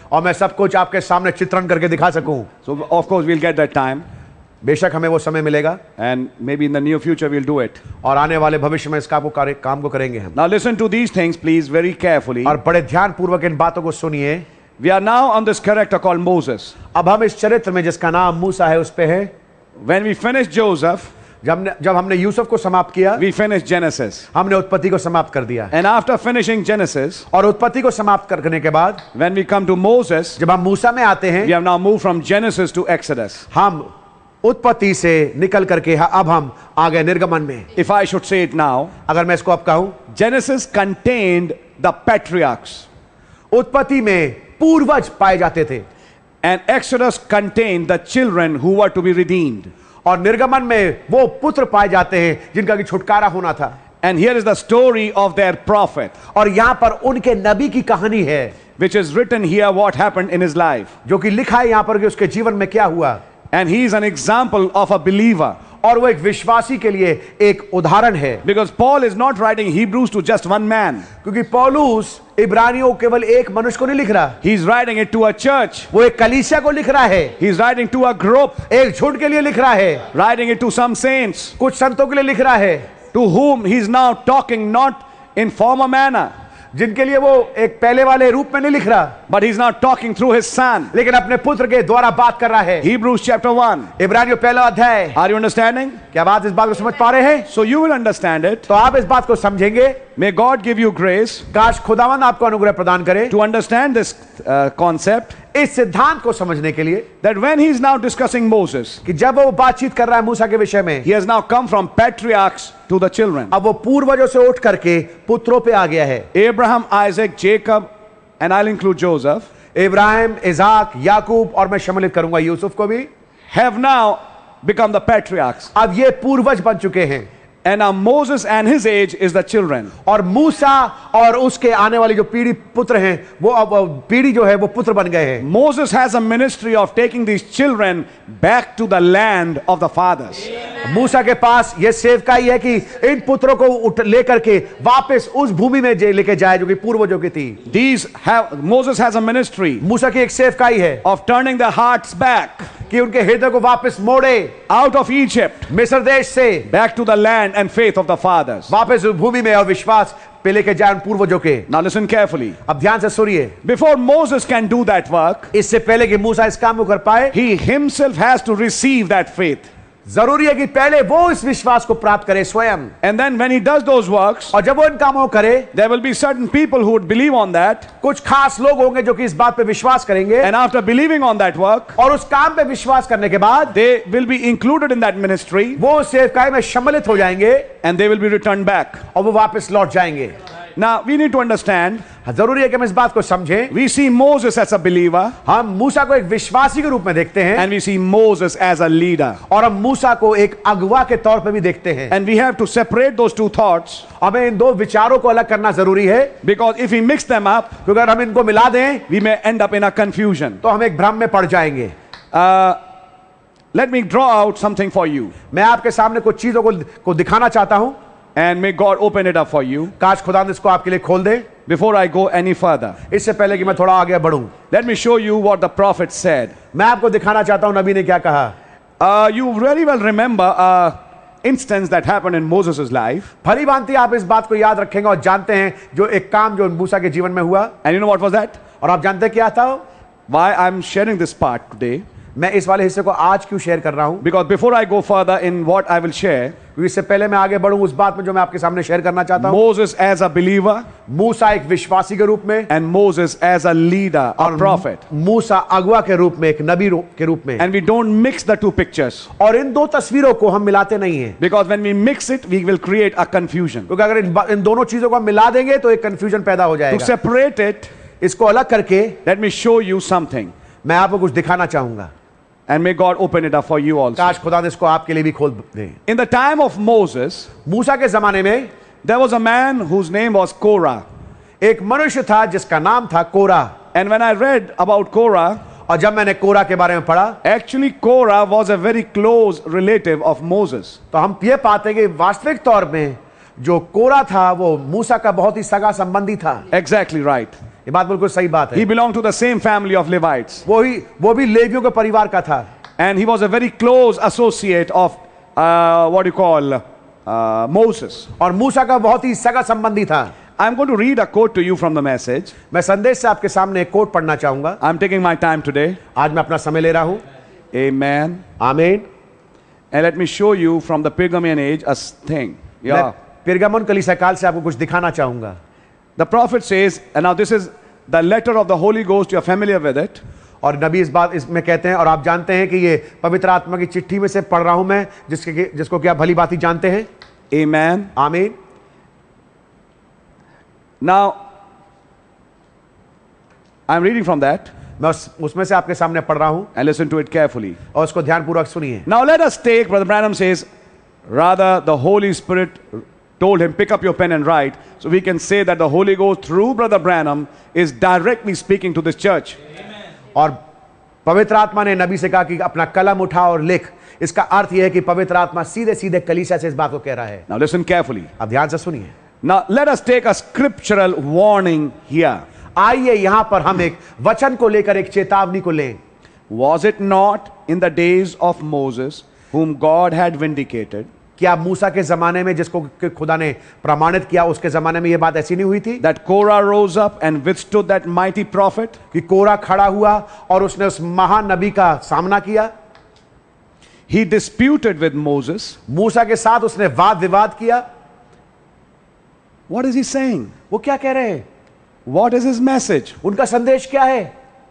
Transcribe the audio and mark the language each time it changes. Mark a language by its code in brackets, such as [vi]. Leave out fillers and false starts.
[hi] और मैं सब कुछ आपके सामने चित्रण करके दिखा सकूं. [en] So of course we'll get that time. [hi] बेशक हमें वो समय मिलेगा. [en] And maybe in the near future we'll do it. [hi] और आने वाले भविष्य में इसका काम को करेंगे हम. [en] Now listen to these things please very carefully. [hi] और बड़े ध्यान पूर्वक इन बातों को सुनिए. [en] We are now on this character called Moses. [hi] अब हम इस चरित्र में जिसका नाम मूसा है उस पे है. [en] When we finish Joseph, [hi] जब हमने यूसुफ को समाप्त किया, [en] we finished Genesis, [hi] हमने उत्पत्ति को समाप्त कर दिया, [en] and after finishing Genesis, [hi] और उत्पत्ति को समाप्त करने के बाद, [en] when we come to Moses, [hi] जब हम मूसा में आते हैं, [en] we have now moved from Genesis to Exodus, [hi] हम उत्पत्ति से निकल करके अब हम आ गए निर्गमन में. [en] If I should say it now, [hi] अगर मैं इसको अब कहूं, [en] Genesis contained the patriarchs, [hi] उत्पत्ति में पूर्वज पाए जाते थे, [en] and Exodus contained the children who were to be redeemed. [hi] और निर्गमन में वो पुत्र पाए जाते हैं जिनका कि छुटकारा होना था. [en] And here is the story of their prophet, [hi] और यहां पर उनके नबी की कहानी है, [en] which is written here what happened in his life, [hi] जो कि लिखा है यहां पर कि उसके जीवन में क्या हुआ. [en] And he is an example of a believer, [hi] और वो एक विश्वासी के लिए एक उदाहरण है. [en] Because Paul is not writing Hebrews to just one man, [hi] क्योंकि पौलुस इब्रानियों केवल एक मनुष्य को नहीं लिख रहा. [en] He is writing it to a church, [hi] वो एक कलीसिया को लिख रहा है. [en] He is writing to a group, [hi] एक झुंड के लिए लिख रहा है. [en] Writing it to some saints, [hi] कुछ संतों के लिए लिख रहा है. [en] To whom he is now talking not in former manner, [hi] जिनके लिए वो एक पहले वाले रूप में नहीं लिख रहा. [en] But he's not talking through his son, [hi] लेकिन अपने पुत्र के द्वारा बात कर रहा है. [en] Hebrews chapter 1, [hi] इब्रानियों पहला अध्याय. [en] Are you understanding? [hi] क्या बात इस बात को समझ पा रहे हैं? [en] So you will understand it. [hi] तो आप इस बात को समझेंगे. [en] May God give you grace, [hi] काश खुदावंद आपको अनुग्रह प्रदान करे, [en] to understand this concept, [hi] इस सिद्धांत को समझने के लिए, [en] that when he is now discussing Moses, [hi] कि जब वो बातचीत कर रहा है मूसा के विषय में, [en] he has now come from patriarchs to the children, [hi] अब वो पूर्वजों से उठ करके पुत्रों पे आ गया है. [en] Abraham, Isaac, Jacob, and I'll include Joseph, [hi] Ibrahim, Ijak, याकूब, और मैं शामिल करूंगा यूसुफ को भी, [en] have now become the patriarchs, [hi] अब ये पूर्वज बन चुके हैं. [en] And now Moses and his age is the children. [hi] और मूसा और उसके आने वाली जो पीढ़ी पुत्र हैं, वो अब पीढ़ी जो है वो पुत्र बन गए हैं. [en] Moses has a ministry of taking these children back to the land of the fathers. [hi] मूसा के पास ये सेवकाई है कि इन पुत्रों को लेकर के वापस उस भूमि में लेके जाए जो कि पूर्वजों की थी. [en] Moses has a ministry, [hi] मूसा की एक सेवकाई है, [en] of turning their hearts back, [hi] कि उनके हृदय को वापस मोड़े, [en] out of Egypt, [hi] मिस्र देश से, [en] back to the land land and faith of the fathers. [hi] वापस भूमि में और विश्वास पहले के जान पूर्वजों के. [en] Now listen carefully. [hi] अब ध्यान से सुनिए. [en] Before Moses can do that work, [hi] इससे पहले कि मूसा इस काम को कर पाए, [en] he himself has to receive that faith. [hi] जरूरी है कि पहले वो इस विश्वास को प्राप्त करे स्वयं. [en] And then when he does those works, [hi] और जब वो इन कामों करे, [en] there will be certain people who would believe on that. [hi] कुछ खास लोग होंगे जो कि इस बात पे विश्वास करेंगे. [en] And after believing on that work, [hi] और उस काम पे विश्वास करने के बाद, [en] they will be included in that ministry. [hi] वो सेवकाई में सम्मिलित हो जाएंगे. [en] And they will be returned back. [hi] और वो वापस लौट जाएंगे. [en] Now we need to understand. [hi] जरूरी है कि हम इस बात को समझें. [en] We see Moses as a believer. [hi] हम मूसा को एक विश्वासी के रूप में देखते हैं. [en] And we see Moses as a leader. [hi] और हम मूसा को एक अगुवा के तौर पे भी देखते हैं. [en] And we have to separate those two thoughts. [hi] हमें इन दो विचारों को अलग करना जरूरी है. [en] Because if we mix them up, [hi] क्योंकि अगर हम इनको मिला दें, [en] we may end up in a confusion. [hi] तो हम एक भ्रम में पड़ जाएंगे. [en] Let me draw out something for you. [hi] मैं आपके सामने कुछ चीजों को दिखाना चाहता हूं. [en] And may God open it up for you. [hi] काश खुदा इसको आपके लिए खोल दे. [en] Before I go any further, [hi] इससे पहले कि मैं थोड़ा आगे बढूं, [en] let me show you what the prophet said. [hi] मैं आपको दिखाना चाहता हूं नबी ने क्या कहा. [en] You very well remember a instance that happened in Moses's life. [hi] भली भांति आप इस बात को याद रखेंगे और जानते हैं जो एक काम जो मूसा के जीवन में हुआ. [en] And you know what was that? [hi] और आप जानते क्या था? [en] Why I'm sharing this part today? [hi] मैं इस वाले हिस्से को आज क्यों शेयर कर रहा हूं? [en] Because before I go further in what I will share, [hi] इससे पहले मैं आगे बढ़ूं उस बात में जो मैं आपके सामने शेयर करना चाहता हूं. [en] Moses as a believer, [hi] मूसा एक विश्वासी के रूप में, [en] and Moses as a leader, a prophet, [hi] मूसा अगुआ के रूप में, एक नबी के रूप में. [en] And we don't mix the two pictures. [hi] और इन दो तस्वीरों को हम मिलाते नहीं है. [en] Because when we mix it, we will create a confusion. [hi] क्योंकि अगर इन दोनों चीजों को हम मिला देंगे तो एक कंफ्यूजन पैदा हो जाएगा. [en] To separate it, [hi] इसको अलग करके, [en] let me show you something. [hi] मैं आपको कुछ दिखाना चाहूंगा. [en] And may God open it up for you also. [hi] काश खुदा इसको आपके लिए भी खोल दे. [en] In the time of Moses, [hi] मूसा के जमाने में, [en] there was a man whose name was Korah. [hi] एक मनुष्य था जिसका नाम था कोरा. [en] And when I read about Korah, [hi] और जब मैंने कोरा के बारे में पढ़ा, [en] actually Korah was a very close relative of Moses. [hi] तो हम ये पाते हैं कि वास्तविक तौर में जो कोरा था वो मूसा का बहुत ही सगा संबंधी था. [en] Exactly right. [hi] ये बात बिल्कुल सही बात है. [en] He belonged to the same family of Levites. [hi] वो भी लेवियों के परिवार का था. [en] And he was a very close associate of what you call Moses. [hi] और मूसा का बहुत ही सगा संबंधी था. [en] I'm going to read a quote to you from the message. [hi] मैं संदेश से आपके सामने एक कोट पढ़ना चाहूंगा. [en] I'm taking my time today. [hi] आज मैं अपना समय ले रहा हूं. [en] Amen. Amen. And let me show you from the Pergamon age a thing. Yeah. [hi] पिर्गमन कलीसिया काल से आपको कुछ दिखाना चाहूंगा. [en] The prophet says, and now this is the letter of the Holy Ghost. You're familiar with it. [hi] और नबी इस बात इसमें कहते हैं और आप जानते हैं कि ये पवित्र आत्मा की चिट्ठी में से पढ़ रहा हूं मैं जिसको कि आप भली बात ही जानते हैं. [en] Amen. Amen. Now, I'm reading from that. [hi] मैं उसमें से आपके सामने पढ़ रहा हूं. [en] And listen to it carefully. [hi] और उसको ध्यानपूर्वक सुनिए. [en] Now let us take. Brother Branham says, rather the Holy Spirit. Told him, pick up your pen and write. So we can say that the Holy Ghost through Brother Branham is directly speaking to this church. [hi] और पवित्र आत्मा ने नबी से कहा कि अपना कलम उठा और लिख. इसका अर्थ यह है कि पवित्र आत्मा सीधे सीधे कलीसिया से इस बात को कह रहा है. [en] Now listen carefully. [hi] अब ध्यान से सुनिए. [en] Now let us take a scriptural warning here. [hi] आइए यहां पर हम एक वचन को लेकर एक चेतावनी को लें. [en] Was it not in the days of Moses whom God had vindicated? [hi] क्या मूसा के जमाने में जिसको खुदा ने प्रमाणित किया उसके जमाने में यह बात ऐसी नहीं हुई थी? [en] That Korah rose up and withstood that mighty prophet. [hi] कि कोरा खड़ा हुआ और उसने उस महानबी का सामना किया. [en] He disputed with Moses. [hi] मूसा के साथ उसने वाद विवाद किया. [en] What is he saying? [hi] वो क्या कह रहे हैं? [en] What is his message? [hi] उनका संदेश क्या है?